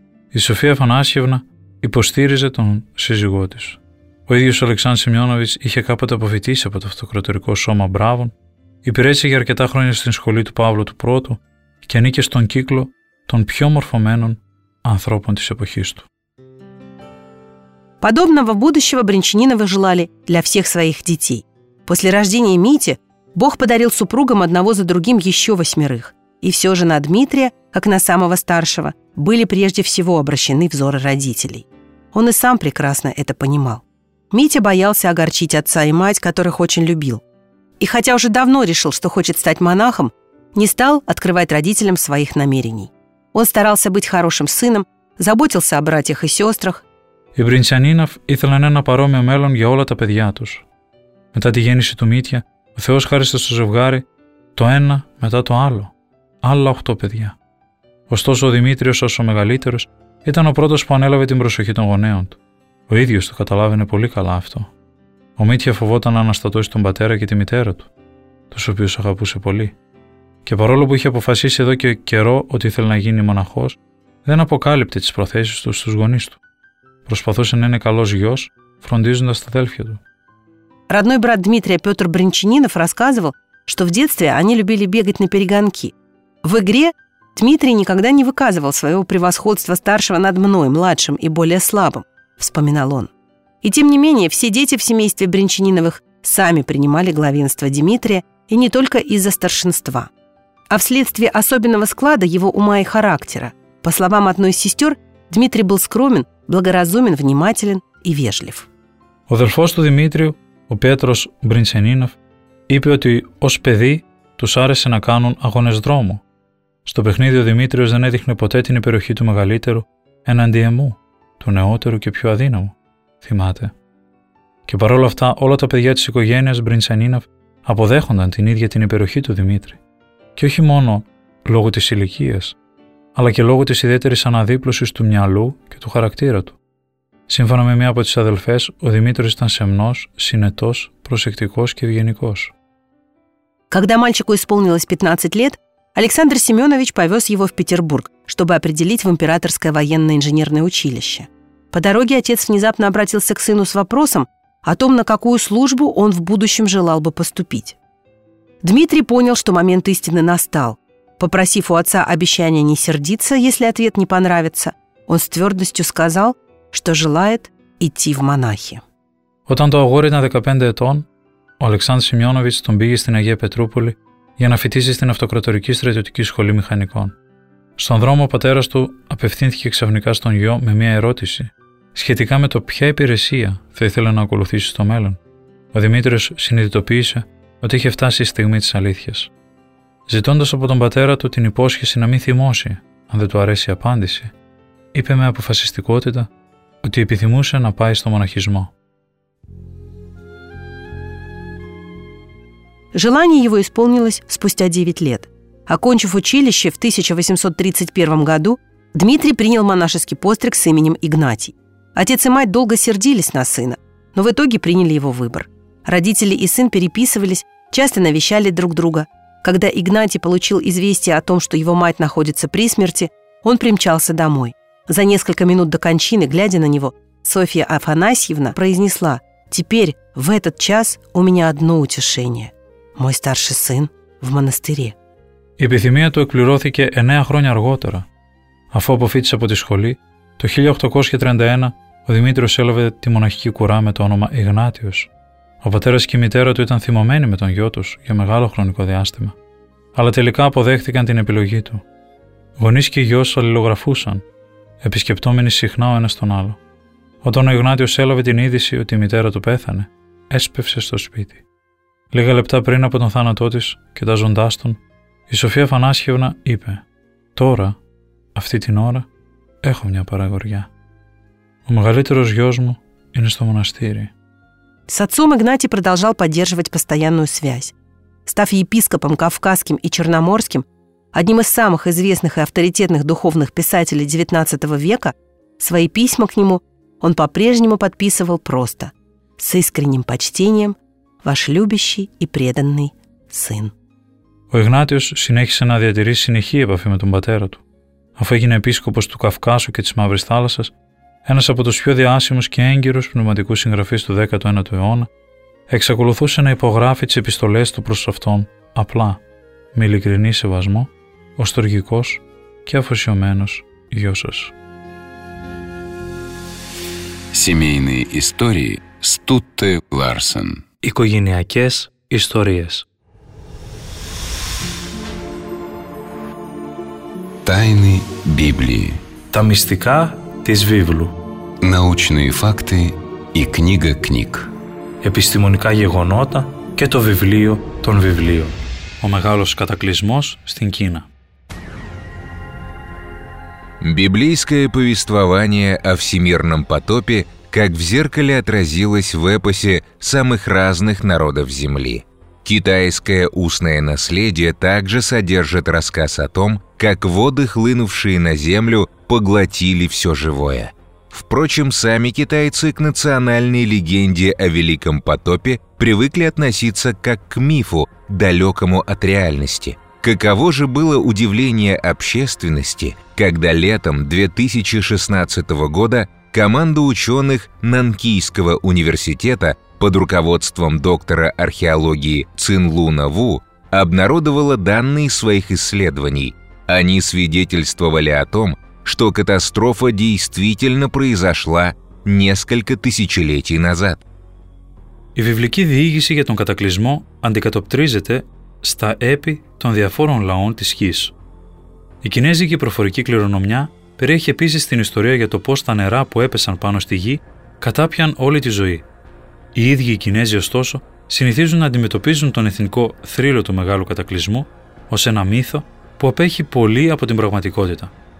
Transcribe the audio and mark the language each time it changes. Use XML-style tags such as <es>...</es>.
<el>Η Σοφία Αφανάσιευνα υποστήριζε τον σύζυγό της. Ο ίδιος ο Αλεξάνδρος Σημειώναβης είχε κάποτε αποφοιτήσει από το αυτοκρατορικό σώμα Μπράβων, υπηρέτησε για αρκετά χρόνια στην σχολή του Παύλου του Πρώτου και ανήκε στον κύκλο των πιο μορφωμένων ανθρώπων της εποχής του.</el> <ru>Подобного будущего Брянчаниновы желали для всех своих детей. После рождения Мити Бог подарил супругам одного за другим еще восьмерых. И все же на Дмитрия, как на самого старшего, были прежде всего обращены взоры родителей. Он и сам прекрасно это понимал. Митя боялся огорчить отца и мать, которых очень любил. И хотя уже давно решил, что хочет стать монахом, не стал открывать родителям своих намерений. Он старался быть хорошим сыном, заботился о братьях и сестрах.</ru> <el>Οι Μπρινσανίνοφ ήθελαν ένα παρόμοιο μέλλον για όλα τα παιδιά τους. Μετά τη γέννηση του Μίτια, ο Θεός χάρισε στο ζευγάρι το ένα μετά το άλλο, άλλα 8 παιδιά. Ωστόσο, ο Δημήτριος, όσο μεγαλύτερος, ήταν ο πρώτος που ανέλαβε την προσοχή των γονέων του. Ο ίδιος το καταλάβαινε πολύ καλά αυτό. Ο Μίτια φοβόταν να αναστατώσει τον πατέρα και τη μητέρα του, τους οποίους αγαπούσε πολύ. Και παρόλο που είχε αποφασίσει εδώ και καιρό ότι ήθελε να γίνει μοναχός, δεν αποκάλυπτε τις προθέσεις του στους γονείς του. προσπαθούσε να είναι καλός γιος, φροντίζοντας τα αδέλφια του.</el> <ru>Родной брат Дмитрия Петр Брянчанинов рассказывал, что в детстве они любили бегать на перегонки. В игре Дмитрий никогда не выказывал своего превосходства старшего над мной, младшим и более слабым, вспоминал он. И тем не менее, все дети в семействе Брянчаниновых сами принимали главенство Дмитрия, и не только из-за старшинства, а вследствие особенного склада его ума и характера. По словам одной из сестер, Дмитрий был скромен, благоразумен, внимателен и вежлив.</ru> <el>Αδελφός του Δημήτριου, ο Πέτρος Μπριντσενίνοφ, είπε ότι ως παιδί τους άρεσε να κάνουν αγώνες δρόμου. Στο παιχνίδι ο Δημήτριος δεν έδειχνε ποτέ την υπεροχή του μεγαλύτερου εναντί εμού, του νεότερου και πιο αδύναμου, θυμάται. Και παρόλα αυτά, όλα τα παιδιά της οικογένειας Μπριντσενίνοφ αποδέχονταν την ίδια την υπεροχή του Δημήτρη. Και όχι μόνο λόγω της ηλικίας, αλλά και λόγω της ιδιαίτερης αναδίπλωσης του μυαλού και του χαρακτήρα του. Σύμφωνα με μία από τις αδελφές, ο Δημήτρης ήταν σεμνός, συνετός, προσεκτικός και ευγενικός.</el> <ru>Когда мальчику исполнилось 15 лет, Александр Семенович повез его в Петербург, чтобы определить в императорское военно-инженерное училище. По дороге отец внезапно обратился к сыну с вопросом о том, на какую службу он в будущем желал бы поступить. Дмитрий понял, что момент истины настал. Попросив у отца обещания не сердиться, если ответ не понравится, он с твердостью сказал, что желает идти в монахи.</ru> <el>Όταν το αγόρι ήταν 15 ετών, ο Αλεξάνδρος Σημειώνοβιτς τον πήγε στην Αγία Πετρούπολη για να φοιτήσει στην Αυτοκρατορική Στρατιωτική Σχολή Μηχανικών. Στον δρόμο ο πατέρας του απευθύνθηκε ξαφνικά στον γιο με μια ερώτηση σχετικά με το ποια υπηρεσία θα ήθελε να ακολουθήσει στο μέλλον. Ο Δημήτριος συνειδητοποίησε ότι είχε φτάσει η στιγμή της αλήθειας. Ζητώντας από τον πατέρα του την υπόσχεση να μην θυμώσει αν δεν του αρέσει η απάντηση, είπε με αποφασιστικότητα ότι επιθυμούσε να πάει στο μοναχισμό.</el> <ru>Желание его исполнилось спустя 9 лет. Окончив училище в 1831 году, Дмитрий принял монашеский постриг с именем Игнатий. Отец и мать долго сердились на сына, но в итоге приняли его выбор. Родители и сын переписывались, часто навещали друг друга. Когда Игнатий получил известие о том, что его мать находится при смерти, он примчался домой. За несколько минут до кончины, глядя на него, Софья Афанасьевна произнесла: «Теперь, в этот час, у меня одно утешение». Мой старший сын в монастыре.</ru> <el>Η επιθυμία του εκπληρώθηκε 9 χρόνια αργότερα. Αφού αποφύτησε από τη σχολή, το 1831 ο Δημήτριος έλαβε τη μοναχική κουρά με το όνομα Ιγνάτιος. Ο πατέρας και η μητέρα του ήταν θυμωμένοι με τον γιο τους για μεγάλο χρονικό διάστημα. Αλλά τελικά αποδέχτηκαν την επιλογή του. Γονείς και γιος αλληλογραφούσαν, επισκεπτόμενοι συχνά ο ένας τον άλλο. Όταν ο Ιγνάτιος έλαβε την είδηση ότι η μητέρα του πέθανε, έσπευσε στο σπίτι. Λίγα λεπτά πριν από τον θάνατό της, κοιτάζοντάς τον, η Σοφία Φανάσχευνα είπε: «Τώρα, αυτή την ώρα, έχω μια παραγωγιά. Ο μεγαλύτερος γιος μου είναι στο μοναστήρι».</el> <ru>С отцом Игнатий продолжал поддерживать постоянную связь. Став епископом Кавказским и Черноморским, одним из самых известных и авторитетных духовных писателей XIX века, свои письма к нему он по-прежнему подписывал просто, с искренним почтением, ваш любящий и преданный сын.</ru> <el>Ο Ιγνάτιος συνέχισε να διατηρεί συνεχή επαφή με τον πατέρα του. Αφού έγινε επίσκοπος του Καυκάσου και της Μαύρης Θάλασσας, ένας από τους πιο διάσημους και έγκυρους πνευματικούς συγγραφείς του 19ου αιώνα, εξακολουθούσε να υπογράφει τις επιστολές του προς αυτόν απλά, με ειλικρινή σεβασμό, ο στοργικός και αφοσιωμένος γιος σας.</el> <ru>Семейные истории Стутте Ларсен.</ru> <el>Οικογενειακές ιστορίες.</el> <ru>Тайны Библии.</ru> <el>Τα μυστικά της Βίβλου.</el> <ru>Научные факты и книга книг.</ru> <el>Επιστημονικά γεγονότα και το βιβλίο των βιβλίων. Ο μεγάλος κατακλυσμός στην Κίνα.</el> <ru>Библейское повествование о всемирном потопе как в зеркале отразилось в эпосе самых разных народов Земли. Китайское устное наследие также содержит рассказ о том, как воды, хлынувшие на Землю, поглотили все живое. Впрочем, сами китайцы к национальной легенде о Великом потопе привыкли относиться как к мифу, далекому от реальности, к Каково же было удивление общественности, когда летом 2016 года команда ученых Нанкийского университета под руководством доктора археологии Цинлуна Ву обнародовала данные своих исследований. Они свидетельствовали о том, что катастрофа действительно произошла несколько тысячелетий назад.</ru> <el>Η βιβλική διήγηση για τον κατακλυσμό αντικατοπτρίζεται στα έπι των διαφόρων λαών της γης. Η κινέζικη προφορική κληρονομιά περιέχει επίσης την ιστορία για το πώς τα νερά που έπεσαν πάνω στη γη κατάπιαν όλη τη ζωή. Οι ίδιοι οι Κινέζοι, ωστόσο, συνηθίζουν να αντιμετωπίζουν τον εθνικό θρύλο του μεγάλου κατακλυσμού ως ένα μύθο που απέχει πολύ από την πραγματικότητα.</el>